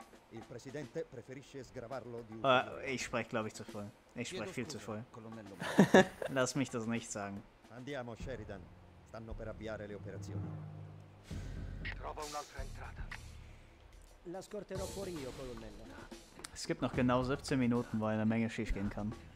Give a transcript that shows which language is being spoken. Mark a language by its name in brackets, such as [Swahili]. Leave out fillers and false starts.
[Italian] Il presidente preferisce sgravarlo di [German] ich spreche, glaube ich, zu voll. Ich spreche viel zu voll. Lass mich das nicht sagen. [Italian] Andiamo, Sheridan. Stanno per avviare le operazioni. Trova un'altra entrata. La scorterò fuori io, colonnello. [German] Es gibt noch genau 17 Minuten, weil eine Menge schief gehen kann.